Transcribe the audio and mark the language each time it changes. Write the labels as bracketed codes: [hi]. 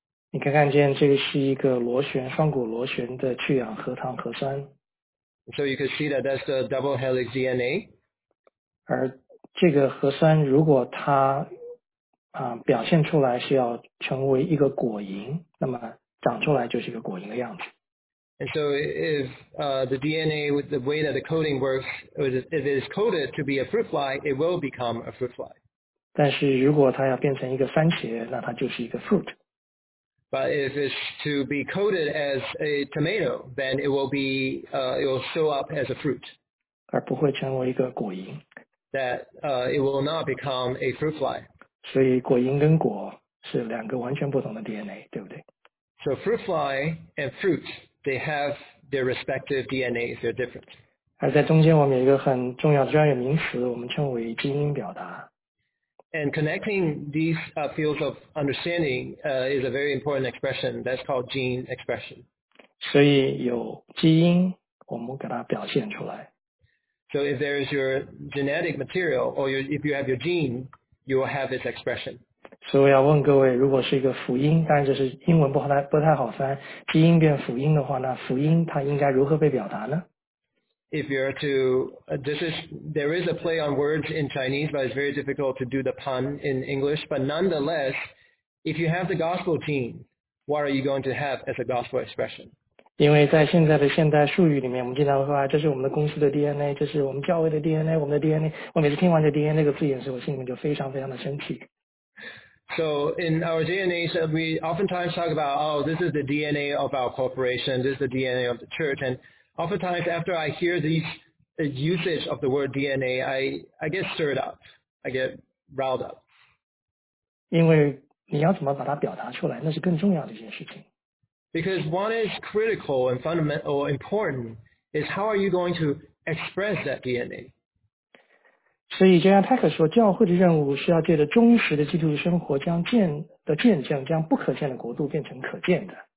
[zh] 你可以看见这个是一个螺旋双股螺旋的去氧核糖核酸。 [en] So you can see that that's the double helix DNA. [zh] 而这个核酸如果它、表现出来是要成为一个果蝇，那么长出来就是一个果蝇的样子。 [en] And so if、the DNA, with the way that the coding works, if it is coded to be a fruit fly, it will become a fruit fly. [zh] 但是如果它要变成一个番茄，那它就是一个 fruit. [en] But if it's to be coded as a tomato, then it will show up as a fruit. [zh] 而不会成为一个果蝇。 [en] That, it will not become a fruit fly. [zh] 所以果蝇跟果是两个完全不同的 DNA, 对不对? [en] So fruit fly and fruit, they have their respective DNAs, they're different. [zh] 而在中间我们有一个很重要的专业名词我们称为基因表达。 [en] And connecting these、fields of understanding、is a very important expression that's called gene expression. [zh] 所以有基因，我们给它表现出来。 [en] So if there is your genetic material, or your, if you have your gene, you will have this expression. [zh] 所以要问各位，如果是一个辅音，当然就是英文不太好翻，基因变辅音的话，那辅音它应该如何被表达呢？ [en] If you're to, there is a play on words in Chinese, but it's very difficult to do the pun in English. But nonetheless, if you have the gospel gene, what are you going to have as a gospel expression? [zh] 因为在现在的现代术语里面，我们经常会说啊，这是我们的公司的 DNA， 这是我们教会的 DNA， 我们的 DNA。我每次听完这 DNA 这个字眼时，我心里面就非常非常的生气。 [en] So in our DNA, so we oftentimes talk about, oh, this is the DNA of our corporation, this is the DNA of the church, and,Oftentimes, after I hear these usage of the word DNA, I get stirred up. I get riled up. [zh] 因为你要怎么把它表达出来，那是更重要的一件事情。 [en] Because what is critical and fundamental or important is how are you going to express that DNA? [zh] 所以就像泰克说，教会的任务是要借着忠实的基督徒生活将见的见证，将不可见的国度变成可见的。